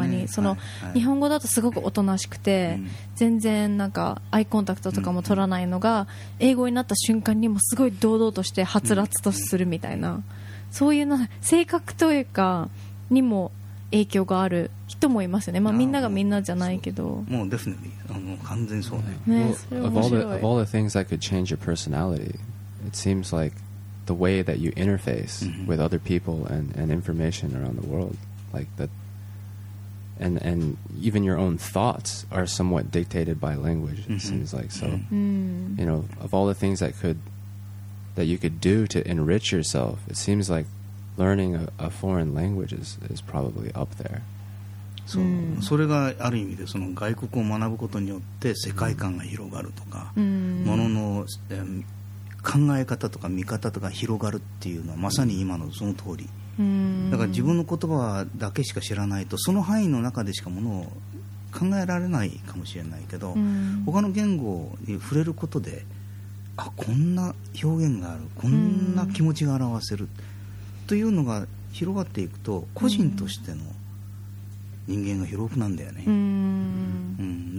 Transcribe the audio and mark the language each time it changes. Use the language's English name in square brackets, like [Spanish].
[Japanese] たまにその、日本語だとすごくおとなしくて、全然なんかアイコンタクトとかも取らないのが、英語になった瞬間にもすごい堂々としてはつらつとするみたいな、そういうな性格というかにも影響がある人もいますよね。まあ、みんながみんなじゃないけど、もう [English] definitely、 [Japanese] もう完全そうね。 [English] Of all the things that could change your personality, it seems like the way that you interface with other people and information around the world, like that, and even your own thoughts are somewhat dictated by language. It seems like so. You know, of all the things that you could do to enrich yourself, it seems like learning a foreign language is probably up there. [Japanese] そう、それがある意味でその外国を学ぶことによって世界観が広がるとか、ものの、考え方とか見方とか広がるっていうのはまさに今のその通り。だから自分の言葉だけしか知らないとその範囲の中でしかものを考えられないかもしれないけど、他の言語に触れることで、あ、こんな表現がある、こんな気持ちが表せるというのが広がっていくと、個人としての人間が広くなんだよね。